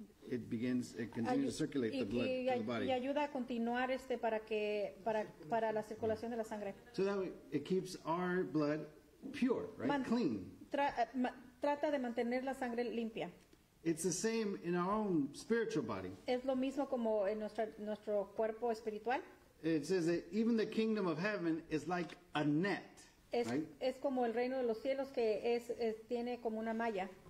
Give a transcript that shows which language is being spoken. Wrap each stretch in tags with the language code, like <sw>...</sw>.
<en>it begins, it continues to circulate the blood to the body.</en> <es>Y ayuda a continuar para la circulación de la sangre.</es> <en>So that way it keeps our blood pure, right? Clean.</en> <es>Trata de mantener la sangre limpia.</es> <en>It's the same in our own spiritual body.</en> <es>Es lo mismo como en nuestro cuerpo espiritual.</es> <en>It says that even the kingdom of heaven is like a net, right?</en> <es>Es como el reino de los cielos que tiene como una malla.</es>